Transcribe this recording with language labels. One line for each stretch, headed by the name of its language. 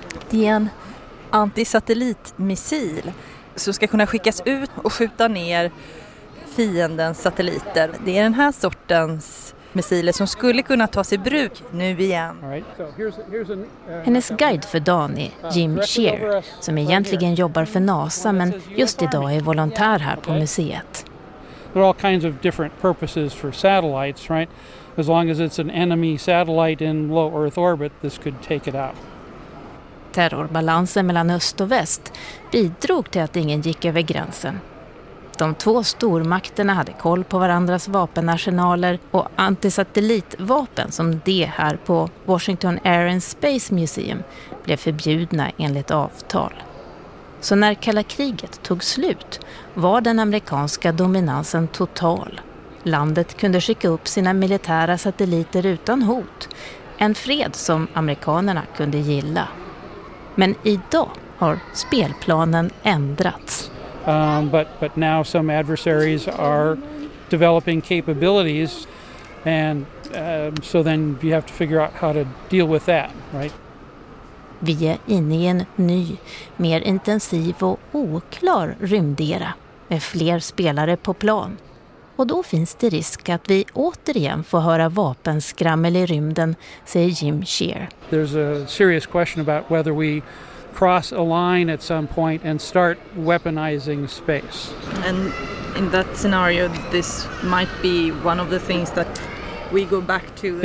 Swedish: Det är en antisatellitmissil som ska kunna skickas ut och skjuta ner fiendens satelliter. Det är den här sortens missiler som skulle kunna tas i bruk nu igen. Hennes guide för dagen är Jim Shear, som egentligen jobbar för NASA men just idag är volontär här på museet.
English: There are all kinds of different purposes for satellites, right? As long as it's an enemy satellite in low earth orbit, this could take it out.
Swedish: Terrorbalansen mellan öst och väst bidrog till att ingen gick över gränsen. De två stormakterna hade koll på varandras vapenarsenaler och antisatellitvapen som det här på Washington Air and Space Museum blev förbjudna enligt avtal. Så när kalla kriget tog slut var den amerikanska dominansen total. Landet kunde skicka upp sina militära satelliter utan hot. En fred som amerikanerna kunde gilla. Men idag har spelplanen ändrats.
English: But now some adversaries are developing capabilities, and so then you have to figure out how to deal with that, right?
Swedish: Vi är inne i en ny, mer intensiv och oklar rymdera med fler spelare på plan. Och då finns det risk att vi återigen får höra vapenskrammel i rymden, säger Jim Shear.
English: There's a serious question about whether we cross a line at some point and start weaponizing space. And in that scenario, this might be one of the things that we go back to and